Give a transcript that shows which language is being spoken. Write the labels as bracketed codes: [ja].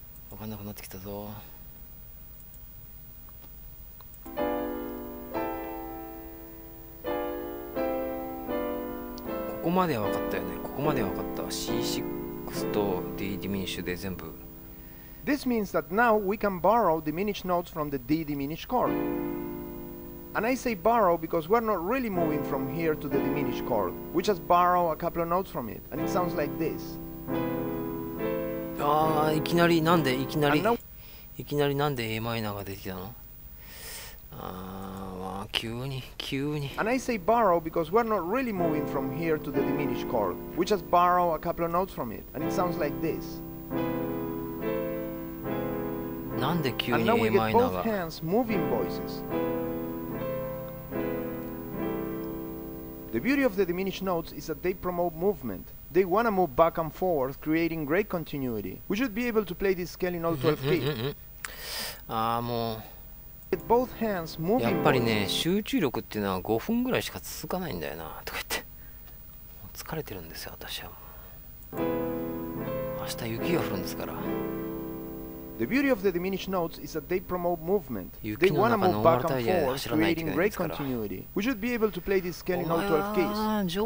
[ja] 分かんなくなってきたぞ。ここまでは分かったよね。ここまでは分かった。C6 と D ディミニッシュで全部。 [en] This means that now we can borrow diminished notes from the D diminished chord. And I say borrow because we're not really moving from here to the diminished chord. We just borrow a couple of notes from it, and it sounds like this. [ja] いきなりなんで Am が出てきたの? [en] And I say borrow because we're not really moving from here to the diminished chord. We just borrow a couple of notes from it, and it sounds like this. [ja] なんで急にAm が? [en] And now we get both hands moving voices. The beauty of the diminished notes is that they promote movement. They want to move back and forth, creating great continuity. We should be able to play this scale in all 12 keys. Both hands moving. [ja] やっぱりね、集中力っていうのは5分ぐらいしか続かないんだよなとか言って、疲れてるんですよ私は。明日雪が降るんですから。 [en] The beauty of the diminished notes is that they promote movement. They want to move back and forth, creating great continuity. We should be able to play this scale in all 12 keys.